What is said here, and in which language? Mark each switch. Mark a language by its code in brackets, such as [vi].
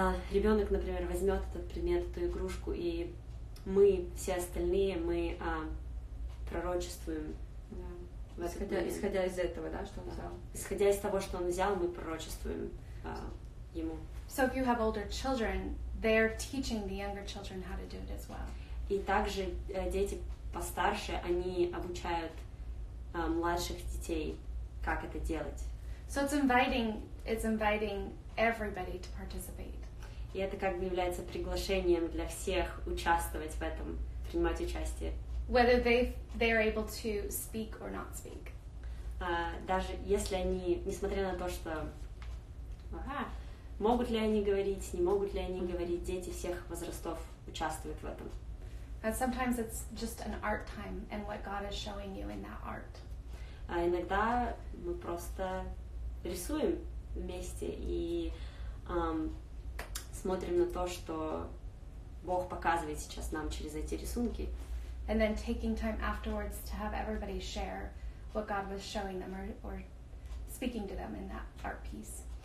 [ru] Ребенок, например, возьмет этот предмет, эту игрушку, и мы, все остальные, мы пророчествуем. Да. Исходя из этого, да, что он взял. Исходя из того, что он взял, мы пророчествуем ему. [en] So if you have older children, they're teaching the younger children how to do it as well. [ru] И также дети постарше, они обучают младших детей, как это делать. [en] So it's inviting everybody to participate. [ru] И это как бы является приглашением для всех участвовать в этом, принимать участие. [en] Whether they are able to speak or not speak. [ru] Даже если они, несмотря на то, что могут ли они говорить, не могут ли они говорить, дети всех возрастов участвуют в этом. [en] And sometimes it's just an art time and what God is showing you in that art. [ru] Иногда мы просто рисуем вместе и смотрим на то, что Бог показывает сейчас нам через эти рисунки. [en] And then taking time afterwards to have everybody share what God was showing them or speaking to them in that art piece.